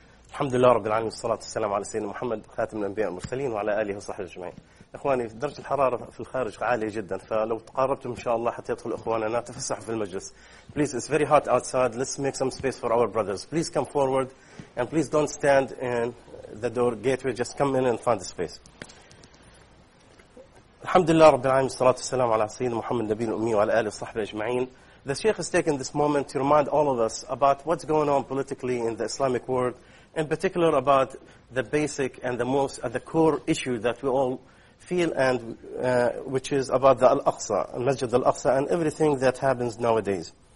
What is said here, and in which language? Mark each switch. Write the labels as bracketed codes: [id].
[ar] الحمد لله رب العالمين، والصلاة والسلام على سيدنا محمد خاتم الأنبياء المرسلين وعلى آله وصحبه أجمعين. إخواني، درجة الحرارة في الخارج عالية جدا، فلو تقربتم إن شاء الله حتى يدخل إخواننا تفسحوا في المجلس. [en] Please, it's very hot outside. Let's make some space for our brothers. Please come forward and please don't stand in the door gateway. Just come in and find the space. [ar] الحمد لله رب العالمين، والصلاة والسلام على سيدنا محمد النبي الأمي وعلى آله وصحبه أجمعين. [en] The Sheikh has taken this moment to remind all of us about what's going on politically in the Islamic world, in particular about the basic and the most at the core issue that we all feel, and which is about the Al-Aqsa, Masjid Al-Aqsa, and everything that happens nowadays.